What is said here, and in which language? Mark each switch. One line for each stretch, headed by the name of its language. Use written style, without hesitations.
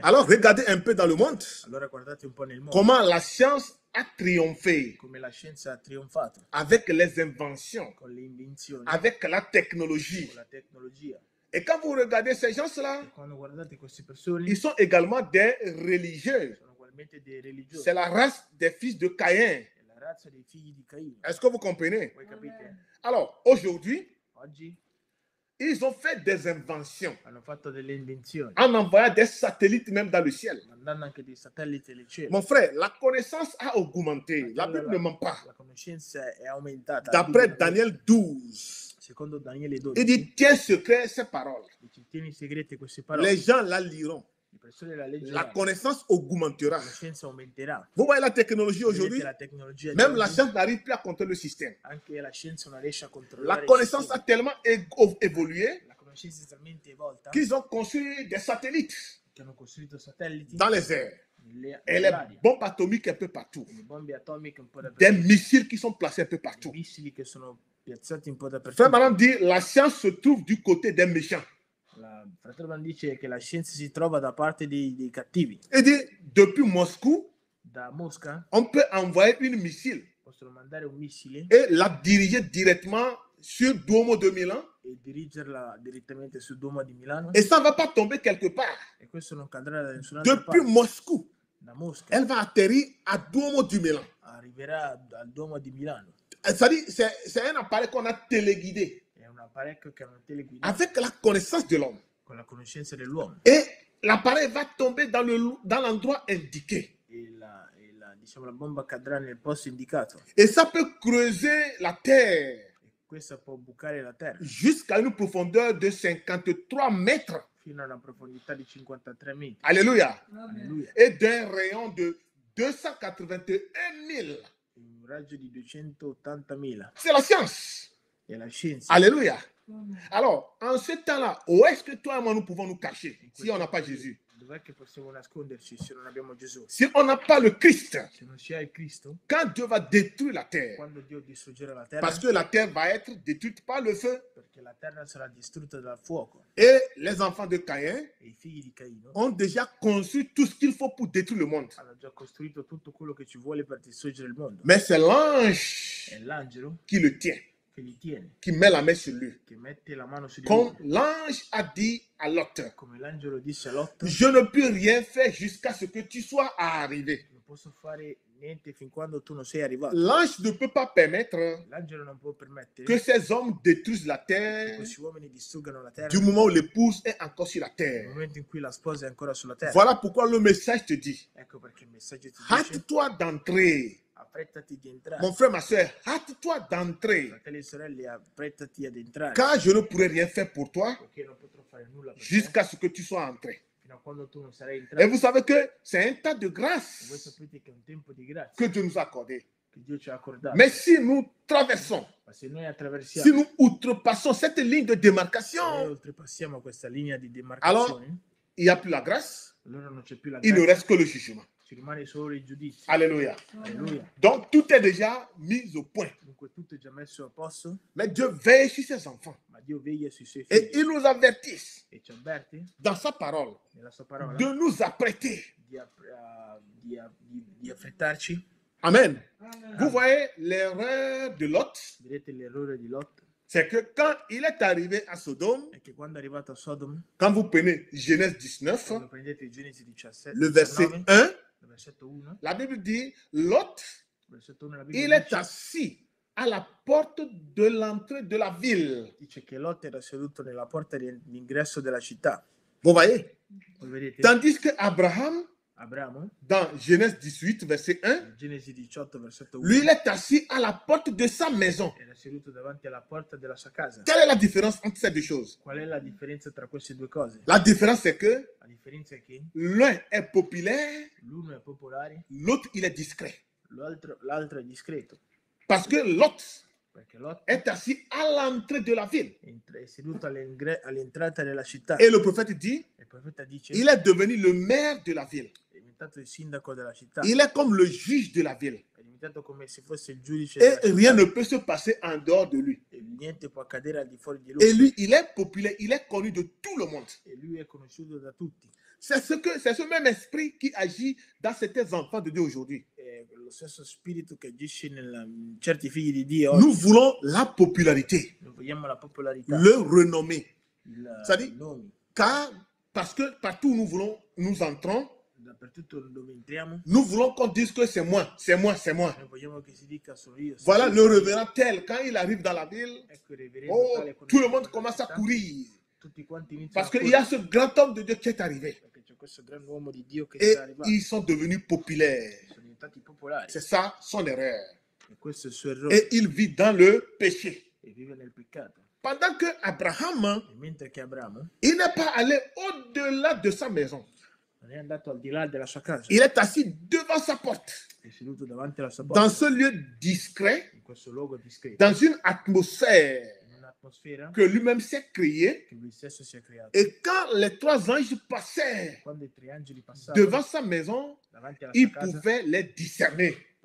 Italian: Allora guardate un po' nel mondo. Allora guardate un po' nel mondo.
French: Comment la science a triomphé?
Italian: Come la scienza ha trionfato?
French: Avec les inventions.
Italian: Con le invenzioni.
French: Avec la technologie.
Italian: Con la tecnologia.
French: Et quand vous regardez ces gens-là,
Italian: persone,
French: ils sont également des religieux.
Italian: Sono ugualmente dei religiosi.
French: C'est la race des fils de Caïn.
Italian: La razza dei figli di Caino.
French: Est-ce que vous comprenez?
Italian: Voi capite?
French: Alors, aujourd'hui,
Italian: oggi,
French: ils ont fait des inventions.
Italian: Hanno fatto delle invenzioni.
French: En envoyant des satellites même dans le ciel.
Italian: Mandando anche dei satelliti nel cielo.
French: Mon frère, la connaissance a augmenté. La Bible ne ment pas.
Italian: La conoscenza è aumentata.
French: D'après Daniel 12.
Italian: Secondo Daniele 12.
French: Il dit tiens secret ces paroles.
Italian: Dice, tieni segrete queste parole.
French: Les gens la liront.
Italian: Le persone la leggeranno.
French: La connaissance augmentera.
Italian: La scienza aumenterà.
French: Vous voyez la technologie aujourd'hui?
Italian: La tecnologia.
French: Même la science n'arrive plus à contrôler le système.
Italian: Anche la scienza non riesce a controllare.
French: La connaissance a tellement évolué.
Italian: La conoscenza è talmente evolta.
French: Qu'ils ont construit des satellites.
Italian: Che hanno costruito satelliti.
French: Dans les airs. Et les bombes atomiques un peu partout.
Italian: Le bombe atomiche un po' dappertutto.
French: Des missiles qui sont placés un peu partout.
Italian: Missili che sono piazzati un po' dappertutto.
French: Frère Branham dit la science se trouve du côté des méchants.
Italian: La Frère Branham dice che la scienza si trova da parte dei cattivi.
French: Et dit depuis Moscou,
Italian: da Mosca,
French: on peut envoyer une missile.
Italian: Possono mandare un missile.
French: Et la diriger directement sur Duomo de Milan.
Italian: E dirigerla direttamente sul Duomo di Milano.
French: Et ça ne va pas tomber quelque part.
Italian: E questo non cadrà da nessuna parte.
French: Depuis Moscou,
Italian: da Mosca,
French: elle va atterrir à Duomo de Milan.
Italian: Arriverà al Duomo di Milano.
French: C'est un appareil qu'on a téléguidé.
Italian: È un apparecchio che hanno téléguidé.
French: Avec la connaissance de l'homme.
Italian: Con la conoscenza dell'uomo.
French: Et l'appareil va tomber dans l'endroit indiqué.
Italian: Diciamo la bomba cadrà nel posto indicato.
French: Et ça peut creuser la terre.
Italian: Questa può bucare la terra.
French: Jusqu'à une profondeur de 53 mètres.
Italian: Fino a una profondità di 53 metri.
French: Alléluia. Alléluia. Et d'un rayon de 281
Italian: 000. Un raggio di 280 000.
French: C'est la science.
Italian: È la scienza.
French: Alléluia. Alors, en ce temps-là, où est-ce que toi et moi nous pouvons nous cacher si on n'a pas Jésus?
Italian: Dov'è che possiamo nasconderci se non abbiamo Gesù?
French: Se on n'a pas le Christ.
Italian: Se non c'è il Cristo.
French: Quand Dieu va détruire la terre.
Italian: Quando Dio distruggerà la terra.
French: Parce que la terre va être détruite par le feu.
Italian: Perché la terra sarà distrutta dal fuoco.
French: Et les enfants de Caïn.
Italian: E i figli di Caino.
French: Ont déjà conçu tout ce qu'il faut pour détruire le monde.
Italian: Hanno già costruito tutto quello che ci vuole per distruggere il mondo.
French: Mais c'est l'ange.
Italian: È l'angelo.
French: Qui le tient.
Italian: Che li tiene.
French: Qui met la main sur lui.
Italian: Che mette la mano su di lui.
French: Comme l'ange a dit à Lot.
Italian: Come l'angelo disse a Lot.
French: Je ne peux rien faire jusqu'à ce que tu sois arrivé.
Italian: Non posso fare niente fin quando tu non sei arrivato.
French: L'ange ne peut pas permettre.
Italian: L'angelo non può permettere.
French: Que ces hommes détruisent la terre.
Italian: Che questi uomini distruggano la terra.
French: Du moment où l'épouse est encore sur la terre.
Italian: Nel momento in cui la sposa è ancora sulla terra.
French: Voilà pourquoi le message te dit.
Italian: Ecco perché il messaggio ti dice.
French: Hâte-toi d'entrer.
Italian: Apprêtati d'entrare.
French: Mon frère, ma soeur, hâte-toi d'entrer.
Italian: Fratelli e sorelle, apprêtati ad entrare.
French: Car je ne pourrai rien faire pour toi.
Italian: Perché non potrò fare nulla per te.
French: Jusqu'à ce que tu sois entré.
Italian: Fino a quando tu non sarai entrato.
French: Et vous savez que c'est un temps de grâce.
Italian: Voi sapete che è un tempo di grazia.
French: Que Dieu nous a accordé.
Italian: Che Dio ci ha accordato.
French: Mais si nous traversons.
Italian: Ma se noi attraversiamo.
French: Si nous outrepassons cette ligne de démarcation.
Italian: Se noi oltrepassiamo questa linea di demarcazione.
French: Alors, il n'y a plus la grâce.
Italian: Allora non c'è più la
French: grâce. Il ne reste que le jugement.
Italian: Ci rimane solo il giudizio.
French: Alléluia.
Italian: Alléluia.
French: Donc tout est déjà mis au point.
Italian: Dunque tutto è già messo a posto.
French: Mais Dieu veille sur ses enfants.
Italian: Ma Dio
French: veille
Italian: sui suoi figli.
French: Et il nous avertit.
Italian: E ci avverte.
French: Dans sa parole.
Italian: Nella sua parola.
French: De nous apprêter.
Italian: Di affrettarci.
French: Amen. Amen. Vous voyez l'erreur de Lot?
Italian: Vedete l'errore di Lot?
French: C'est que quand il est arrivé à Sodome,
Italian: et que quand arrivato a Sodoma,
French: quand vous prenez Genèse 19,
Italian: quando prendete Genesi 17,
French: le verset 1.
Italian: Versetto 1.
French: La Bible dit Lot,
Italian: versetto 1, la
French: Bible
Italian: il dice,
French: est assis à la porte de l'entrée de la ville.
Italian: Dice che Lot era seduto nella porta d'ingresso della città.
French: Vous voyez?
Italian: Vedete?
French: Tandis que Abraham,
Italian: Abraham.
French: Dans Genèse 18, verset 1. Genèse 18, verset 1. Lui, il est assis à la porte de sa maison. Il est assis devant la porte de sa
Italian: casa.
French: Quelle est la différence entre ces deux choses?
Italian: Qual è la differenza tra queste due cose?
French: La différence, c'est que
Italian: la differenza è che
French: l'un est populaire.
Italian: L'uno è popolare.
French: L'autre, il est discret.
Italian: L'altro è discreto.
French: Parce que Lot,
Italian: perché Lot
French: est assis à l'entrée de la ville.
Italian: È seduto all'entrata della città.
French: Et le prophète dit,
Italian: dice,
French: il est devenu le maire de la ville.
Italian: È diventato il sindaco della città.
French: Il est comme le juge de la ville.
Italian: È diventato come se fosse il giudice.
French: Et rien ne peut se passer en dehors de lui.
Italian: E niente può accadere al di fuori di
French: lui. Et lui, il est populaire, il est connu de tout le monde.
Italian: E lui è conosciuto da tutti.
French: C'est ce même esprit qui agit dans certains enfants de Dieu aujourd'hui.
Italian: Lo stesso spirito che agisce in certi figli di Dio.
French: Nous voulons la popularité.
Italian: Noi vogliamo la popolarità.
French: Le renommé. C'est-à-dire, car parce que partout où nous voulons, nous entrons.
Italian: Dappertutto dove entriamo.
French: Nous voulons qu'on dise que c'est moi, c'est moi, c'est moi.
Italian: Noi vogliamo che si dica sono io.
French: Voilà le reverend tel quand il arrive dans la ville.
Italian: Ecco il reverendo tale quando tutto il mondo comincia a
French: courir.
Italian: Tutti quanti iniziano.
French: Parce qu'il y a ce grand homme de Dieu qui est arrivé.
Italian: Perché c'è questo grande uomo di Dio che è arrivato.
French: Ils sont devenus populaires.
Italian: Popolari.
French: C'est ça son erreur.
Italian: Et, questo è suo errore.
French: Et il vit dans le péché.
Italian: Et vive nel peccato.
French: Pendant que Abraham,
Italian: et mentre che Abraham,
French: il n'est pas allé au-delà de sa maison.
Italian: Non è andato al di là della sua casa.
French: Il est assis devant sa porte.
Italian: È seduto davanti alla sua porta.
French: Dans ce lieu discret.
Italian: In questo luogo discreto.
French: Dans une atmosphère. Que lui-même s'est créé. Et quand les trois anges passaient devant sa maison, il pouvait les discerner.